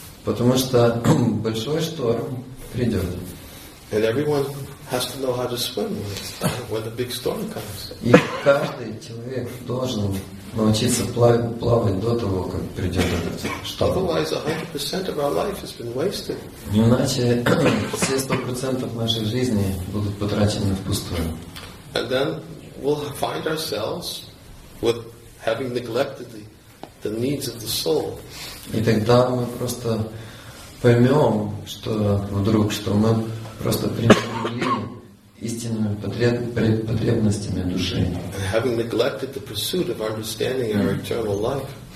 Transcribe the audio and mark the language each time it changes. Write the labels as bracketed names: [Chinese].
[Russian] Потому что большой шторм придет. [English] And everyone has to know how to swim when the big storm comes. [Russian] И каждый человек должен научиться плавать до того, как придет этот шторм. [English] Otherwise, 100% of our life has been wasted. [Russian] Иначе все 100% нашей жизни будут потрачены впустую. [English] And then we'll find ourselves with having neglected the needs of the soul. [Russian] И тогда мы просто поймем, что вдруг, что мы просто пренебрегли истинными потребностями души. [English] Having neglected the pursuit of understanding our eternal life.